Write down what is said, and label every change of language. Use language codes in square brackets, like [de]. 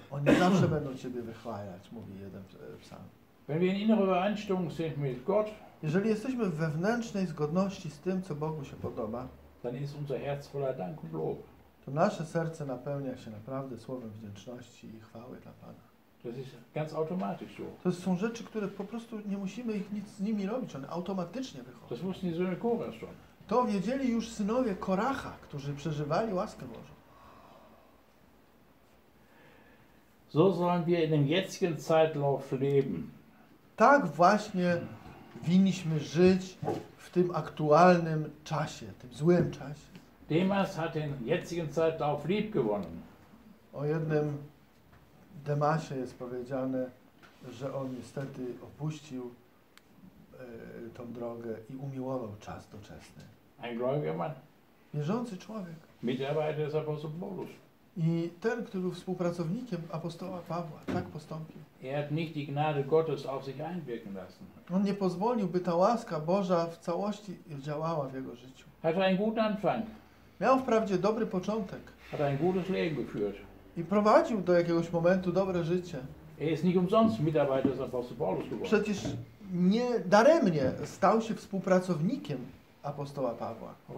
[pl] Oni zawsze będą ciebie wychwalać, mówi jeden psalm. [de] Wenn wir in innerer Übereinstimmung sind mit Gott, [pl] jeżeli jesteśmy w wewnętrznej zgodności z tym, co Bogu się podoba, [de] dann ist unser Herz voller Dank und Lob. [pl] To nasze serce napełnia się naprawdę słowem wdzięczności i chwały dla Pana. [de] Das ist ganz automatisch so. [pl] To są rzeczy, które po prostu nie musimy ich nic z nimi robić, one automatycznie wychodzą. [de] Das wussten die Söhne Korachs schon. [pl] To wiedzieli już synowie Koracha, którzy przeżywali łaskę Bożą. [de] So sollen wir in dem jetzigen Zeitlauf leben. [pl] Tak właśnie winniśmy żyć w tym aktualnym czasie, tym złym czasie. [de] Demas hat den jetzigen Zeitlauf lieb gewonnen. [pl] O jednym Demasie jest powiedziane, że on niestety opuścił tą drogę i umiłował czas doczesny. [de] Ein gläubiger Mann. [pl] Wierzący człowiek. [de] Mitarbeiter des Apostels Paulus. [pl] I ten, który był współpracownikiem apostoła Pawła, tak postąpił. [de] Er hat nicht die Gnade Gottes auf sich einwirken lassen. [pl] On nie pozwolił, by ta łaska Boża w całości działała w jego życiu. [de] Hat einen guten Anfang. [pl] Miał wprawdzie dobry początek. [de] Hat ein gutes Leben geführt. [pl] I prowadził do jakiegoś momentu dobre życie. [de] Er ist nicht umsonst Mitarbeiter des Apostels Paulus geworden. [pl] Przecież nie daremnie stał się współpracownikiem apostoła Pawła.